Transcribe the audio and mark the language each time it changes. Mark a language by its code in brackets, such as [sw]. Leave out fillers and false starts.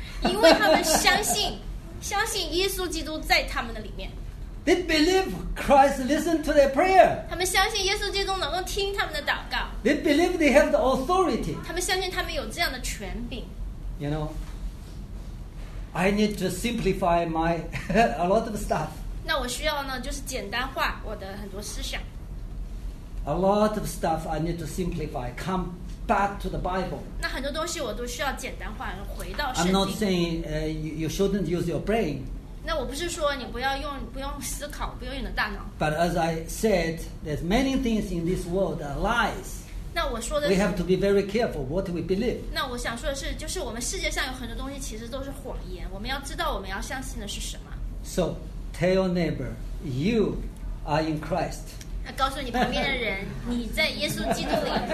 [zh] 因为他们相信耶稣基督在他们的里面。 [en] They believe Christ listened to their prayer. [zh] 他们相信耶稣基督能够听他们的祷告。 [en] They believe they have the authority. [zh] 他们相信他们有这样的权柄。 [en] You know, I need to simplify my a lot of stuff. [zh] 那我需要呢，就是简单化我的很多思想。 [en] A lot of stuff I need to simplify. Come back to the Bible. [zh] 那很多东西我都需要简单化，回到圣经。 [en] I'm not saying you shouldn't use your brain. [zh] 那我不是说你不用思考，不用你的大脑。 [en] But as I said, there's many things in this world are lies. [zh] 那我说的是 [en] we have to be very careful what we believe. [zh] 那我想说的是，就是我们世界上有很多东西其实都是谎言，我们要知道我们要相信的是什么。 [en] So tell your neighbor, you are in Christ. [zh] 那告诉你旁边的人，你在耶稣基督里。